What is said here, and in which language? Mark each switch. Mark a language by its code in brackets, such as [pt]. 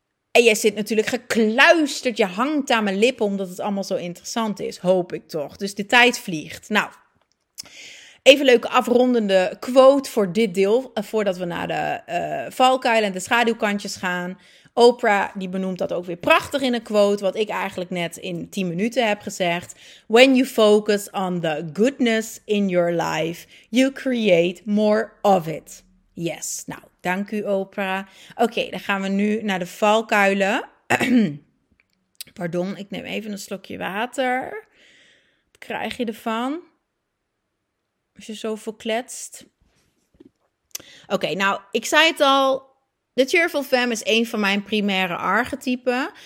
[nl] En jij zit natuurlijk gekluisterd, je hangt aan mijn lippen omdat het allemaal zo interessant is, hoop ik toch. Dus de tijd vliegt. Nou, even een leuke afrondende quote voor dit deel, voordat we naar de valkuilen en de schaduwkantjes gaan. Oprah, die benoemt dat ook weer prachtig in een quote, wat ik eigenlijk net in 10 minuten heb gezegd. [en] When you focus on the goodness in your life, you create more of it. [nl] Yes, nou. Dank u, Oprah. Oké, dan gaan we nu naar de valkuilen. Pardon, ik neem even een slokje water. Wat krijg je ervan? Als je zoveel kletst. Oké, nou, ik zei het al. De Cheerful Femme is een van mijn primaire archetypen.